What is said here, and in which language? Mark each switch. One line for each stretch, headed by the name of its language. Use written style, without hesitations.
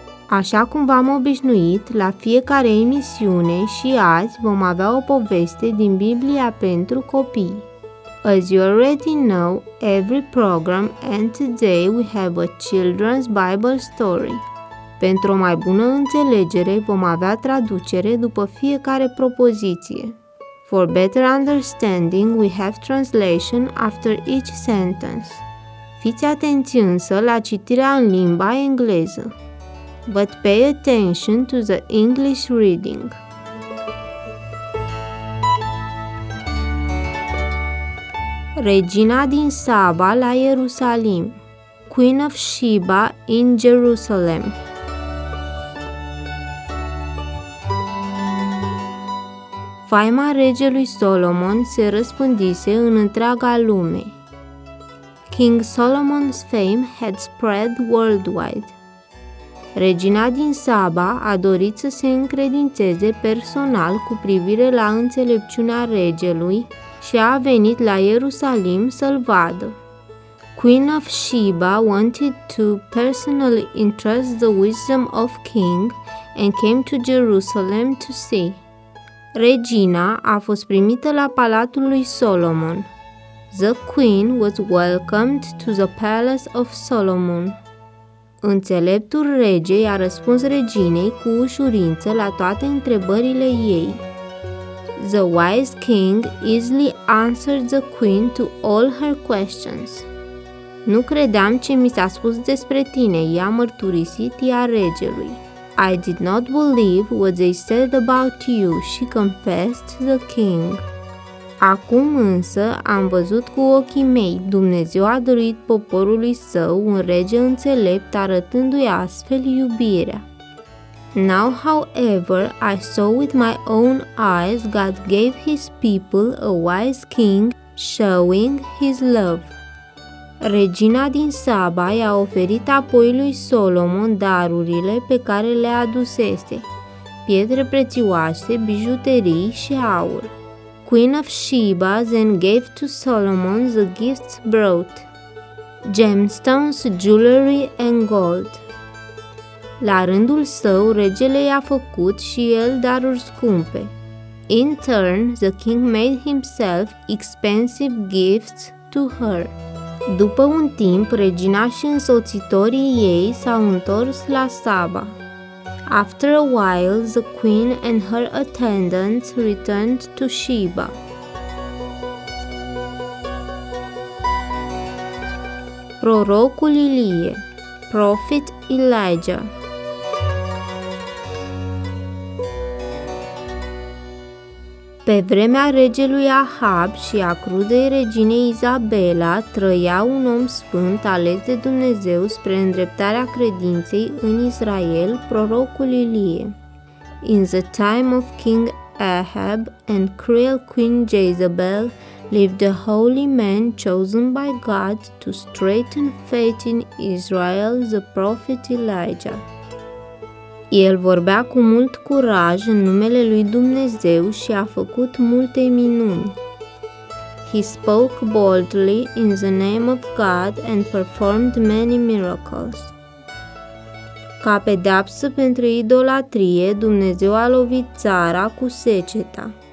Romanian: Așa cum v-am obișnuit, la fiecare emisiune și azi vom avea o poveste din Biblia pentru copii.
English: As you already know, every program and today we have a children's Bible story.
Romanian: Pentru o mai bună înțelegere, vom avea traducere după fiecare propoziție.
English: For better understanding, we have translation after each sentence.
Romanian: Fiți atenți însă la citirea în limba engleză.
English: But pay attention to the English reading.
Romanian: Regina din Saba la Ierusalim.
English: Queen of Sheba in Jerusalem.
Romanian: Faima regelui Solomon se răspândise în întreaga lume.
English: King Solomon's fame had spread worldwide.
Romanian: Regina din Saba a dorit să se încredințeze personal cu privire la înțelepciunea regelui și a venit la Ierusalim să-l vadă.
English: Queen of Sheba wanted to personally entrust the wisdom of king and came to Jerusalem to see.
Romanian: Regina a fost primită la palatul lui Solomon.
English: The Queen was welcomed to the Palace of Solomon.
Romanian: Înțeleptul rege i-a răspuns reginei cu ușurință la toate întrebările ei.
English: The wise king easily answered the queen to all her questions.
Romanian: Nu credeam ce mi s-a spus despre tine, i-a mărturisit ea regelui.
English: I did not believe what they said about you, she confessed the king.
Romanian: Acum însă am văzut cu ochii mei, Dumnezeu a dăruit poporului său un rege înțelept arătându-i astfel iubirea.
English: Now, however, I saw with my own eyes God gave his people a wise king showing his love.
Romanian: Regina din Saba i-a oferit apoi lui Solomon darurile pe care le adusese, pietre prețioase, bijuterii și aur.
English: Queen of Sheba then gave to Solomon the gifts brought, gemstones, jewelry and gold.
Romanian: La rândul său, regele i-a făcut și el daruri scumpe.
English: In turn, the king made himself expensive gifts to her.
Romanian: După un timp, regina și însoțitorii ei s-au întors la Saba.
English: After a while, the queen and her attendants returned to Sheba.
Romanian: Prorocul Ilie,
English: Prophet Elijah.
Romanian: Pe vremea regelui Ahab și a crudei reginei Izabela, trăia un om sfânt ales de Dumnezeu spre îndreptarea credinței în Israel, prorocul Ilie.
English: In the time of King Ahab and cruel Queen Jezebel lived a holy man chosen by God to straighten faith in Israel, the prophet Elijah.
Romanian: El vorbea cu mult curaj în numele lui Dumnezeu și a făcut multe minuni.
English: He spoke boldly in the name of God and performed many miracles.
Romanian: Ca pedeapsă pentru idolatrie, Dumnezeu a lovit țara cu seceta.